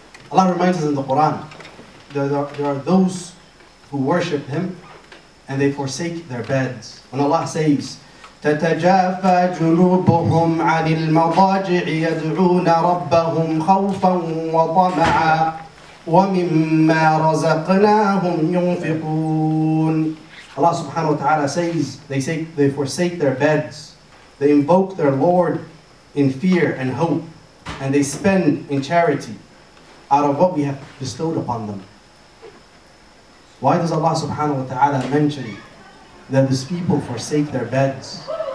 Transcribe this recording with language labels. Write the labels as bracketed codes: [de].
[en] Allah reminds us in the Quran that there are those who worship Him and they forsake their beds. When Allah says, [ar] تَتَجَافَى جُنُوبُهُمْ عَنِ الْمَضَاجِعِ يَدْعُونَ رَبَّهُمْ خَوْفًا وَطَمَعًا وَمِمَّا رَزَقْنَاهُمْ يُنْفِقُونَ. [en] Allah subhanahu wa ta'ala says, they forsake their beds, they invoke their Lord in fear and hope, and they spend in charity out of what we have bestowed upon them. Why does Allah subhanahu wa ta'ala mention that these people forsake their beds?